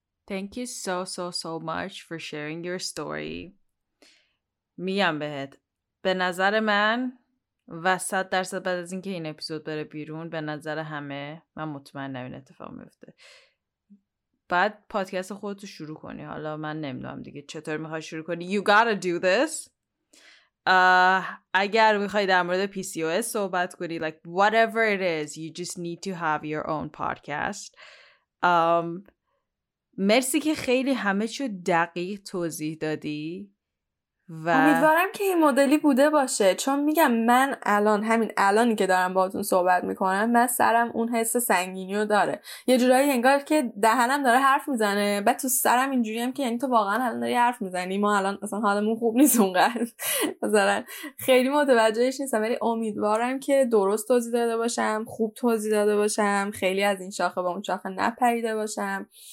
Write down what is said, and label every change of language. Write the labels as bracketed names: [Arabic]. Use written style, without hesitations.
[English] Thank you so, so, so much for sharing your story. [Persian] میگم بهت، به نظر من و 100% بعد از اینکه این اپیزود بره بیرون، به نظر همه من مطمئنم این اتفاق میفته. بعد پادکست خودتو شروع کنی. حالا من نمیدونم دیگه چطور میخوای شروع کنی. [English] You gotta do this. [Persian] اگر میخوای در مورد PCOS صحبت کنی، [English] like whatever it is, you just need to have your own podcast. [Persian] مرسی که خیلی همه چو دقیق توضیح دادی. و امیدوارم که این مدلی بوده باشه، چون میگم من الان همین الانی که دارم باهاتون صحبت میکنم، من سرم اون حس سنگینی رو داره، یه جورایی انگار که دهنم داره حرف میزنه، بعد تو سرم اینجوریام که یعنی تو واقعا الان داری حرف میزنی، ما الان اصلا حالمون خوب نیست اونقدر، مثلا خیلی متوجهش نیستم، ولی امیدوارم که درست توضیح داده باشم، خوب توضیح داده باشم، خیلی از این شاخه به اون شاخه نپریده باشم.